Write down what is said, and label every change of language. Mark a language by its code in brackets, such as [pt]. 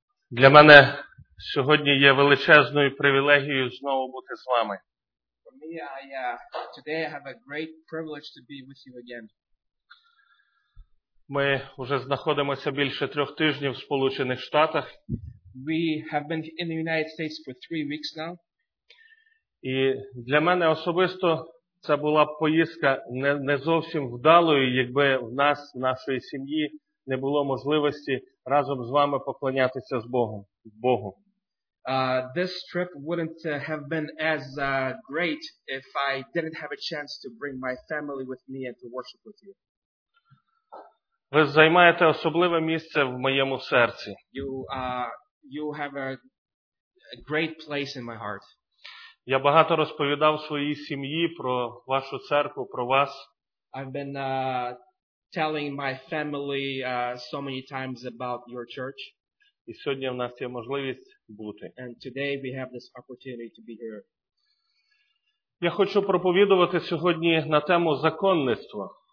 [uk] Для мене сьогодні є величезною привілегією знову бути з вами. [en] For me, today I have a great privilege to be with you again. [uk] Ми вже знаходимося більше 3 тижнів в Сполучених Штатах. [en] We have been in the United States for 3 weeks now. [uk] І для мене особисто це була б поїздка не зовсім вдалою, якби в нас, в нашої сім'ї, не було можливості разом з вами поклонятися Богу. [en] This trip wouldn't have been as great if I didn't have a chance to bring my family with me and to worship with you. [uk] Ви займаєте особливе місце в моєму серці. [en] You have a great place in my heart. [uk] Я багато розповідав своїй сім'ї про вашу церкву, про вас. [en] I've been telling my family so many times about your church. [uk] І сьогодні в нас є можливість бути. [en] And today we have this opportunity to be here. [uk] Я хочу проповідувати сьогодні на тему законництва.